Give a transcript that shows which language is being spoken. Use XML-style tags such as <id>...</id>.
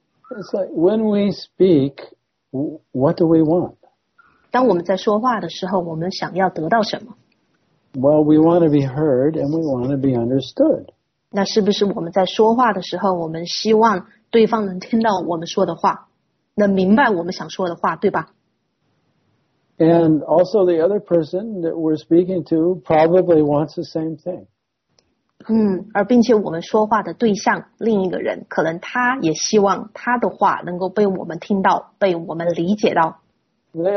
<en>It's like when we speak, what do we want?</en> <zh>当我们在说话的时候，我们想要得到什么？</zh> <en>Well, we want to be heard and we want to be understood.</en> <zh>那是不是我们在说话的时候，我们希望对方能听到我们说的话，能明白我们想说的话，对吧？</zh> <en>And also the other person that we're speaking to probably wants the same thing.</en> <zh>而并且我们说话的对象，另一个人，可能他也希望他的话能够被我们听到，被我们理解到。</zh> <en>They</en>